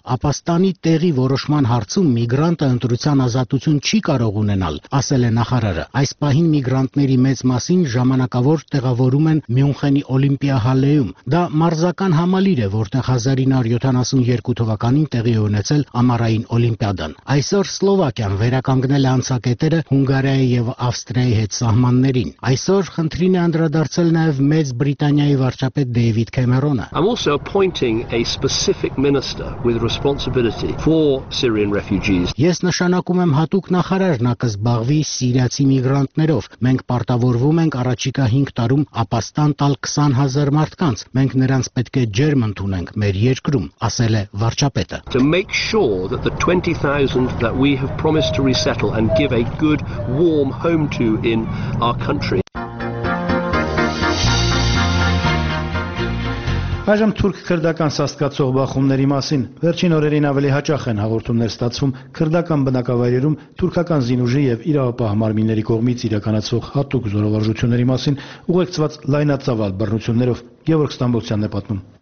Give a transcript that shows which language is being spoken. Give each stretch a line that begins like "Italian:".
Armenian: Ապաստանի տեղի որոշման հարցում միգրանտը ընտրության ազատություն չի կարող ունենալ, ասել է նախարարը։ Այս պահին միգրանտների մեծ մասին ժամանակավոր տեղավորում են Մյունխենի Օլիմպիահալեում։ Դա մարզական համալիր է, որտեղ 1972 թվականին տեղի ունեցել ամառային Օլիմպիադան։ Այսօր Սլովակիան վերականգնել է անցակետերը Հունգարիայի եւ Ավստրիայի հետ սահմաններին։ Այսօր խնդրին է անդրադարձել նաեւ Մեծ Բրիտանիայի վարչապետ Դեյվիդ Քեմերոնը։
English: I'm also appointing a specific minister with respect responsibility for Syrian refugees.
Armenian: Ես նշանակում եմ հատուկ նախարար նա կզբաղվի սիրիացի միգրանտներով։ Մենք պարտավորվում ենք առաջիկա 5 տարում ապաստան տալ 20,000 մարդկանց։ Մենք նրանց պետք է ջերմ ընդունենք մեր երկրում, ասել է վարչապետը։
English: To make sure that the 20,000 that we have promised to resettle and give a good warm home to in our country.
Armenian: Այժմ թուրք-քրդական սաստկացող բախումների մասին։ Վերջին օրերին ավելի հաճախ են հաղորդումներ ստացվում քրդական բնակավայրերում թուրքական զինուժի եւ իրավապահ մարմինների կողմից իրականացվող հատուկ զորավարժությունների մասին, ուղեկցված լայնածավալ բռնություններով։ Գևորգ Ստամբոլցյանն է պատմում։